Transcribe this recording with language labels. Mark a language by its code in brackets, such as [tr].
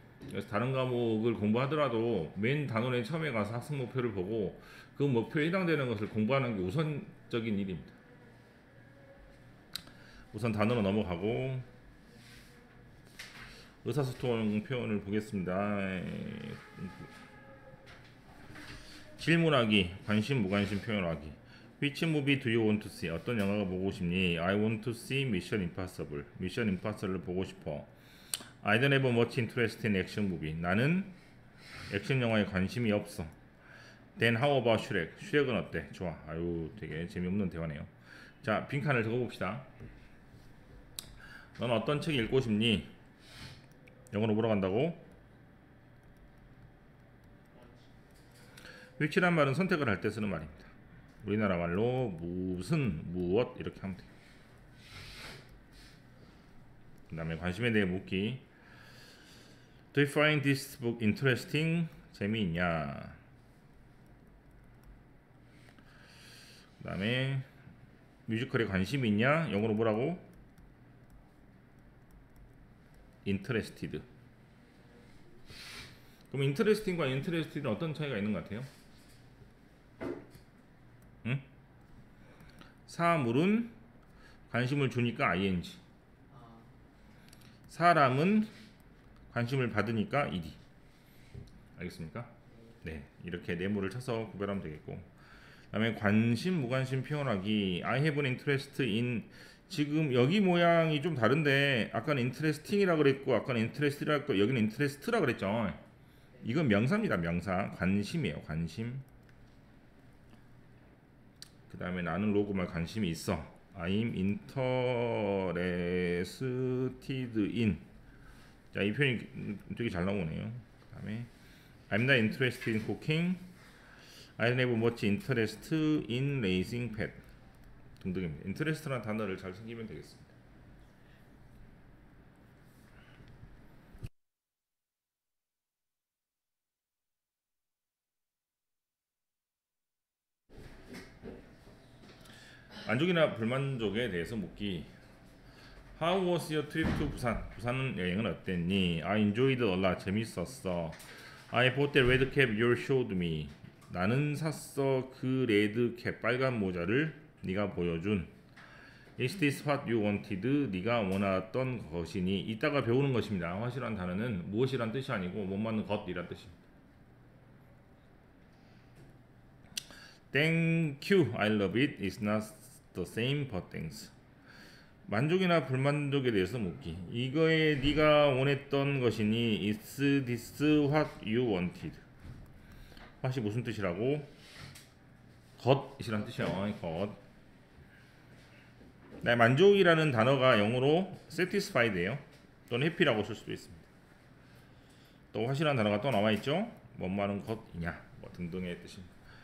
[ko] 그래서 다른 과목을 공부하더라도 맨 단원에 처음에 가서 학습 목표를 보고 그 목표에 해당되는 것을 공부하는 게 우선적인 일입니다. 우선 단어로 넘어가고 의사소통 표현을 보겠습니다. 질문하기, 관심, 무관심 표현하기. [en] Which movie do you want to see? [ko] 어떤 영화가 보고 싶니? [en] I want to see Mission Impossible. [ko] Mission Impossible을 보고 싶어. [en] I don't have much interest in action movie. [ko] 나는 액션 영화에 관심이 없어. [en] Then how about Shrek? [ko] Shrek은 어때? 좋아. 아유, 되게 재미없는 대화네요. 자, 빈칸을 적어봅시다. 넌 어떤 책 읽고 싶니? 영어로 보러 간다고? Which란 말은 선택을 할때 쓰는 말입니다. 우리나라 말로 무슨, 무엇 이렇게 하면 돼요. 그 다음에 관심에 대해 묻기. [en] Do you find this book interesting? [ko] 재미있냐? 그 다음에 뮤지컬에 관심 있냐? 영어로 뭐라고? [en] Interested. [ko] 그럼 Interesting과 Interested는 어떤 차이가 있는 것 같아요? 응? 사물은 관심을 주니까 ing. 사람은 관심을 받으니까 ed. 알겠습니까? 네. 이렇게 네모를 쳐서 구별하면 되겠고. 그다음에 관심, 무관심 표현하기. [en] I have an interest in. [ko] 지금 여기 모양이 좀 다른데, 아까는 interesting이라고 그랬고, 아까는 interested라고 했고, 여기는 interest라고 그랬죠. 이건 명사입니다. 명사. 관심이에요. 관심. 그 다음에 나는 로그마에 관심이 있어. [en] I'm interested in. [ko] 자, 이 표현이 되게 잘 나오네요. [en] 그 다음에 I'm not interested in cooking. I don't have much interest in raising pet. [ko] 등등입니다. interest라는 단어를 잘 생기면 되겠습니다. 만족이나 불만족에 대해서 묻기. [en] How was your trip to Busan? [ko] 부산 여행은 어땠니? [en] I enjoyed a lot. [ko] 재밌었어. [en] I bought the red cap you showed me. [ko] 나는 샀어. 그 레드 캡 빨간 모자를 네가 보여준. [en] Is this what you wanted? [ko] 네가 원했던 것이니? 이따가 배우는 것입니다. What이란 단어는 무엇이란 뜻이 아니고 못 맞는 것이란 뜻입니다. [en] Thank you. I love it. It's not the same, but thanks. [ko] 만족이나 불만족에 대해서 묻기. 이거에 네가 원했던 것이니 [en] Is this what you wanted? [ko] What이 무슨 뜻이라고? 것이란 뜻이야. 것. 네, 만족이라는 단어가 영어로 satisfied예요. 또는 happy라고 쓸 수도 있습니다. 또 what이라는 단어가 또 나와 있죠. 뭔 말은 것이냐 뭐 등등의 뜻입니다.